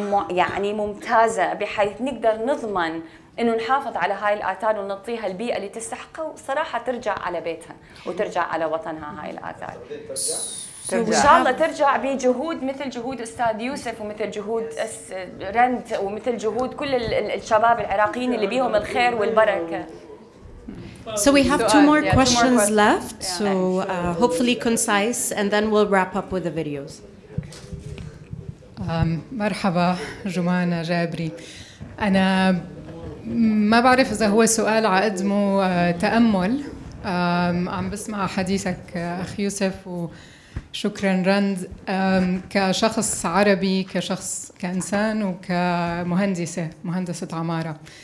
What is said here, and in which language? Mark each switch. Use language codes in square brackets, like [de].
[ar] يعني ممتازه بحيث نقدر نضمن انه نحافظ على هاي الاثار ونعطيها البيئه اللي تستحقها وصراحه ترجع على بيتها وترجع على وطنها هاي الاثار ان شاء الله ترجع بجهود مثل جهود استاذ يوسف ومثل جهود رند ومثل جهود كل الشباب العراقيين اللي بيهم الخير والبركه [en] So we have two more questions left, so hopefully concise, and then we'll wrap up with the videos. [ar] Marhaba, Jumana Jabri. أنا ما بعرف إذا هو سؤال عقدمه تأمل. عم بسمع حديثك أخ يوسف وشكرا رند. كشخص عربي كشخص كإنسان وكمهندسة مهندسة عمارة.